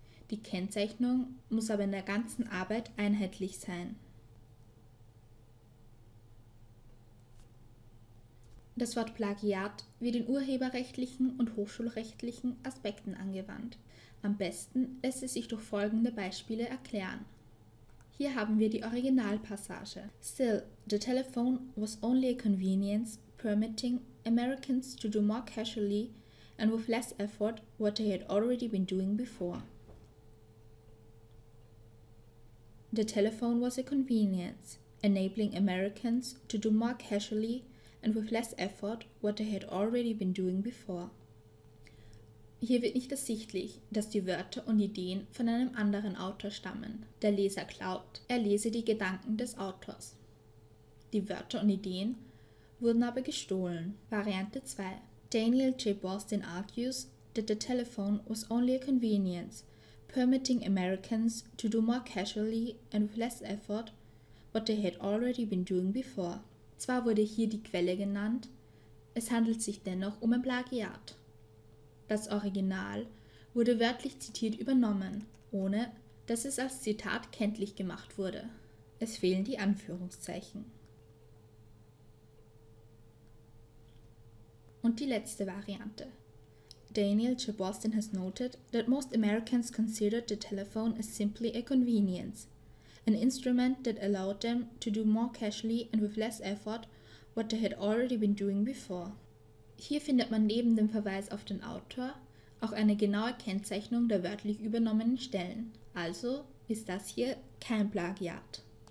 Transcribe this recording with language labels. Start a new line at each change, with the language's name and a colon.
German: Die Kennzeichnung muss aber in der ganzen Arbeit einheitlich sein. Das Wort Plagiat wird in urheberrechtlichen und hochschulrechtlichen Aspekten angewandt. Am besten lässt es sich durch folgende Beispiele erklären. Hier haben wir die Originalpassage.
English: Still, the telephone was only a convenience, permitting Americans to do more casually and with less effort what they had already been doing before. The telephone was a convenience, enabling Americans to do more casually and with less effort what they had already been doing before.
German: Hier wird nicht ersichtlich, dass die Wörter und Ideen von einem anderen Autor stammen. Der Leser glaubt, er lese die Gedanken des Autors. Die Wörter und Ideen wurden aber gestohlen. Variante 2. Daniel J.
English: Boston argues that the telephone was only a convenience, permitting Americans to do more casually and with less effort what they had already been doing before.
German: Zwar wurde hier die Quelle genannt, es handelt sich dennoch um ein Plagiat. Das Original wurde wörtlich zitiert übernommen, ohne dass es als Zitat kenntlich gemacht wurde. Es fehlen die Anführungszeichen. Und die letzte Variante. Daniel J.
English: Boston has noted that most Americans considered the telephone as simply a convenience. An instrument that allowed them to do more casually and with less effort what they had already been doing before.
German: Hier findet man neben dem Verweis auf den Autor auch eine genaue Kennzeichnung der wörtlich übernommenen Stellen. Also ist das hier kein Plagiat.